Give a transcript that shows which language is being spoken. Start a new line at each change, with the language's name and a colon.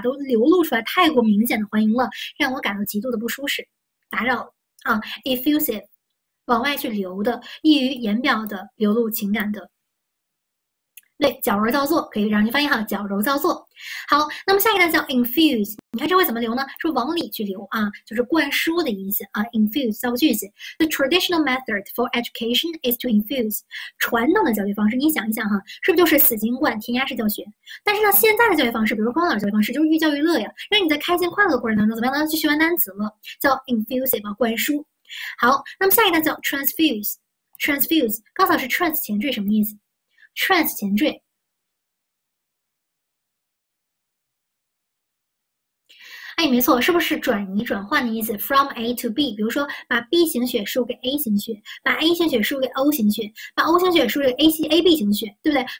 Chinese: 都流露出来，太过明显的欢迎了，让我感到极度的不舒适，打扰了啊。
English: effusive。
Chinese: 往外去流的，溢于言表的，流露情感的，对，矫揉造作，可以让你翻译哈，矫揉造作。好，那么下一个叫 infuse，你看这会怎么流呢？是往里去流啊，就是灌输的意思啊。 infuse 造个句子，
English: The traditional method for education is to infuse。
Chinese: 传统的教育方式，你想一想哈，是不是就是死记硬灌、填鸭式教学？但是呢，现在的教育方式，比如说老师教育方式，就是寓教于乐呀，让你在开心快乐的过程当中，怎么样呢？去学完单词了，叫 infuse 啊，灌输。好，那么下一个叫 transfuse，告诉老师 trans 前缀什么意思？trans 前缀，哎，没错，是不是转移转换的意思？from A to B，比如说把 B 型血输给 A 型血，把 A 型血输给 O 型血，把 O 型血输给 AB 型血，对不对？